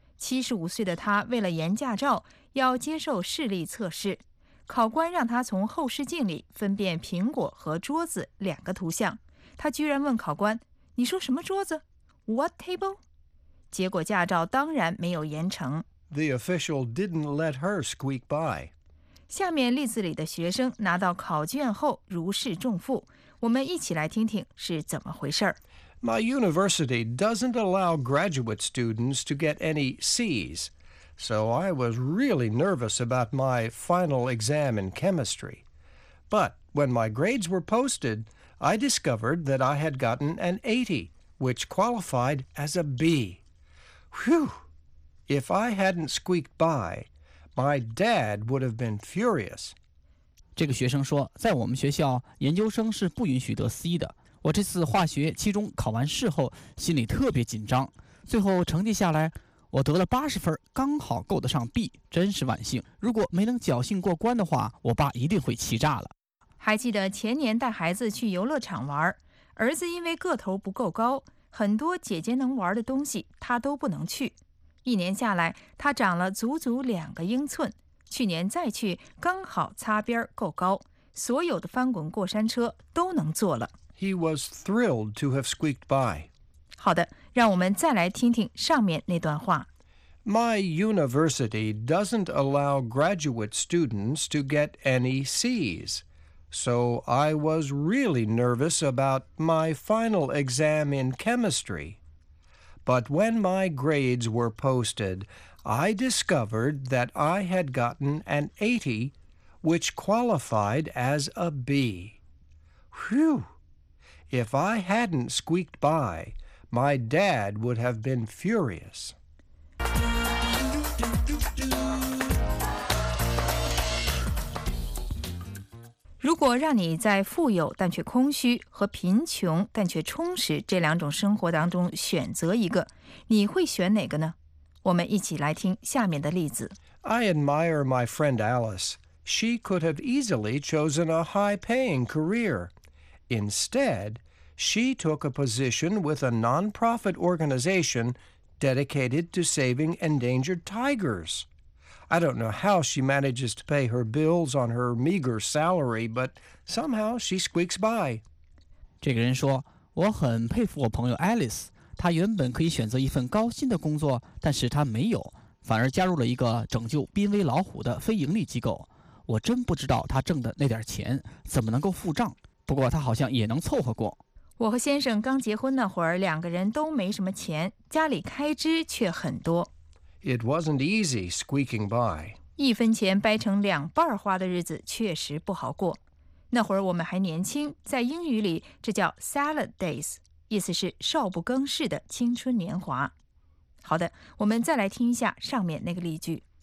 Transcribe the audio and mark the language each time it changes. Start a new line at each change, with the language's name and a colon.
Chinese: 75岁的她为了研驾照，要接受视力测试。考官让她从后视镜里分辨苹果和桌子两个图像。她居然问考官你说什么桌子 ？
English: What table？
Chinese: 结果驾照当然没有延成。
English: The official didn't let her squeak by.
Chinese: 下面例子里的学生拿到考卷后如释重负，我们一起来听听是怎么回事。
English: My university doesn't allow graduate students to get any C's, so I was really nervous about my final exam in chemistry. But when my grades were posted,I discovered that I had gotten an 80, which qualified as a B. Whew! If I hadn't squeaked by, my dad would have been furious.
Chinese: 这个学生说，在我们学校，研究生是不允许得 C 的。我这次化学期中考完试后，心里特别紧张。最后成绩下来，我得了80分，刚好够得上 B, 真是万幸。如果没能侥幸过关的话，我爸一定会气炸了。还记得前年带孩子去游乐场玩，儿子因为个头不够高，很多姐姐能玩的东西他都不能去。一年下来，他长了足足两个英寸。去年再去，刚好擦边够高，所有的翻滚过山车都能坐了。
English: He was thrilled to have squeaked by.
Chinese: 好的，让我们再来听听上面那段话。
English: My university doesn't allow graduate students to get any C's, so I was really nervous about my final exam in chemistry. But when my grades were posted, I discovered that I had gotten an 80, which qualified as a B. Whew! If I hadn't squeaked by, my dad would have been furious.
Chinese: 如果让你在富有但却空虚和贫穷但却充实这两种生活当中选择一个，你会选哪个呢？我们一起来听下面的例子。
English: I admire my friend Alice. She could have easily chosen a high-paying career. Instead, she took a position with a non-profit organization dedicated to saving endangered tigers. I don't know how she manages to pay her bills on her meager salary, but somehow she squeaks by.
Chinese: 这个人说，我很佩服我朋友 Alice。她原本可以选择一份高薪的工作，但是她没有，反而加入了一个拯救濒危老虎的非盈利机构。我真不知道她挣的那点钱怎么能够付账，不过她好像也能凑合过。我和先生刚结婚那会儿，两个人都没什么钱，家里开支却很多。
English: It wasn't easy squeaking by.
Chinese: 一分钱掰成两半花的日子确实不好过。那会儿我们还年轻，在英语里这叫 salad days， 意思是少不更事的青春年华。好的，我们再来听一下上面那个例句。